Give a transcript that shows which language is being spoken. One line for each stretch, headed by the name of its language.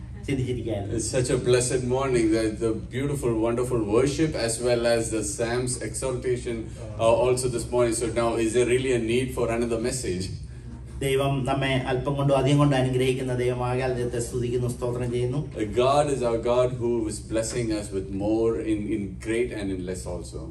English: It's such a blessed morning. The beautiful, wonderful worship, as well as the Sam's exaltation, also this morning. So now, is there really a need for another message?
Malayalam: ദൈവം നമ്മെ അല്പം കൊണ്ടോ അധികം കൊണ്ടോ അനുഗ്രഹിക്കുന്ന ദൈവമാകയാൽ ദൈവത്തെ സ്തുതിക്കുന്നു, സ്തോത്രം ചെയ്യുന്നു.
English: God is our God who is blessing us with more in great and in less also.